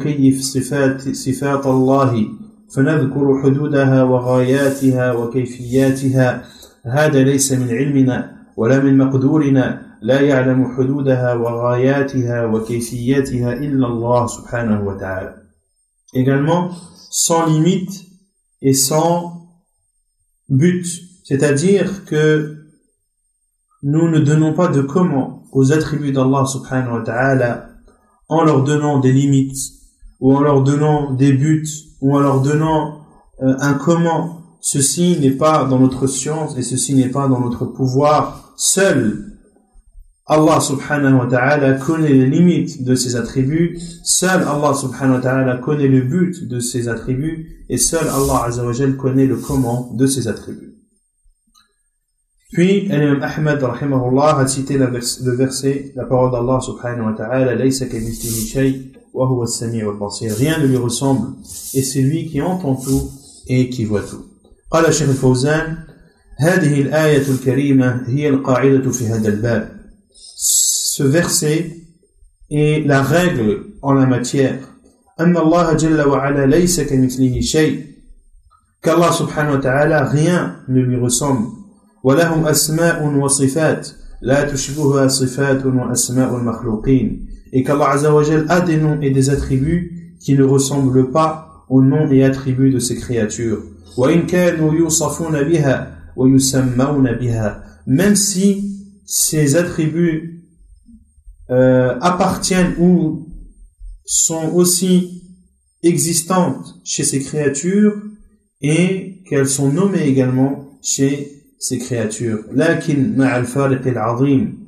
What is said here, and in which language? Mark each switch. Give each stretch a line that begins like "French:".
Arabic: بلا حد ولا غاية, أي أننا لا نكيف صفات الله فنذكر حدودها وغاياتها وكيفياتها, هذا ليس من علمنا ولا من مقدورنا, لا يعلم حدودها وغاياتها وكيفياتها إلا الله سبحانه وتعالى.
French: Également, sans limite et sans but. C'est-à-dire que nous ne donnons pas de comment aux attributs d'Allah subhanahu wa ta'ala en leur donnant des limites ou en leur donnant des buts ou en leur donnant un comment. Ceci n'est pas dans notre science et ceci n'est pas dans notre pouvoir. Seul Allah subhanahu wa ta'ala connaît les limites de ses attributs, seul Allah subhanahu wa ta'ala connaît le but de ses attributs, et seul Allah azza wa jalla connaît le comment de ses attributs. Puis, Imam Ahmed, rahimahullah, a cité le verset, la parole d'Allah subhanahu wa ta'ala,
Arabic: laysa kamithlihi shay, wa huwa as-sami' al-basir.
French: Rien ne lui ressemble, et c'est lui qui entend tout et qui voit tout.
Arabic: Qala Sheikh al-Fawzan, هذه الآية الكريمة هي القاعدة في هذا الباب.
French: Ce verset est la règle en la matière.
Arabic: أن الله جل وعلا ليس كمثله شيء.
French: Qu'Allah subhanahu wa ta'ala, rien ne lui ressemble.
Arabic: وله أسماء وصفات لا تشبهها صفات وأسماء المخلوقين.
French: Et qu'Allah عز وجل a des noms et des attributs qui ne ressemblent pas aux noms et attributs de ses créatures.
Arabic: وإن كانوا يوصفون بها وَيُسَمَّوْنَ بِهَا.
French: Même si ces attributs appartiennent ou sont aussi existantes chez ces créatures et qu'elles sont nommées également chez ces créatures.
Arabic: لَكِنْ مَعَ الْفَارِقِ الْعَظِيمِ.